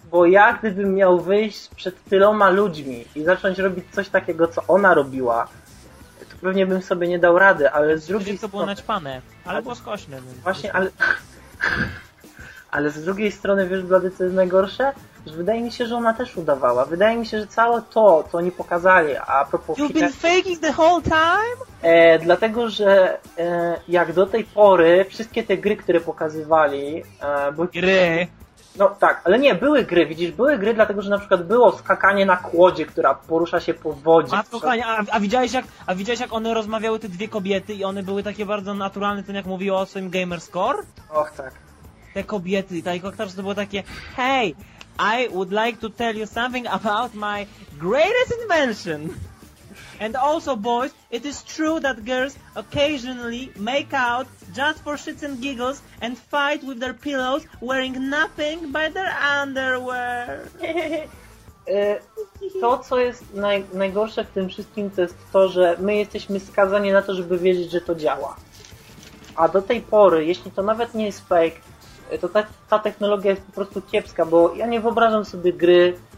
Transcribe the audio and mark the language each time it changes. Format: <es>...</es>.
<pl>Bo ja gdybym miał wyjść przed tyloma ludźmi i zacząć robić coś takiego, co ona robiła, to pewnie bym sobie nie dał rady, ale z drugiej strony... To było naćpane, ale było skośne. Właśnie, ale... Ale z drugiej strony, wiesz, Blady, co jest najgorsze? Że wydaje mi się, że ona też udawała. Wydaje mi się, że całe to, co oni pokazali, a propos...</pl> <en>You've been faking the whole time?</en> <pl>Dlatego, że jak do tej pory wszystkie te gry, które pokazywali... Gry! No tak, ale nie, były gry, widzisz, były gry, dlatego że na przykład było skakanie na kłodzie, która porusza się po wodzie. Matko, kochanie, a widziałeś jak one rozmawiały, te dwie kobiety, i one były takie bardzo naturalne, ten jak mówiło o swoim gamerscore? Och, tak. Te kobiety, ta ich aktorstwo było takie,</pl> <en>hey, I would like to tell you something about my greatest invention. And also, boys, it is true that girls occasionally make out just for shits and giggles and fight with their pillows wearing nothing but their underwear.</en> <pl>To, co jest najgorsze w tym wszystkim, to jest to, że my jesteśmy skazani na to, żeby wiedzieć, że to działa. A do tej pory, jeśli to nawet nie jest fake, to ta technologia jest po prostu kiepska, bo ja nie wyobrażam sobie gry...</pl>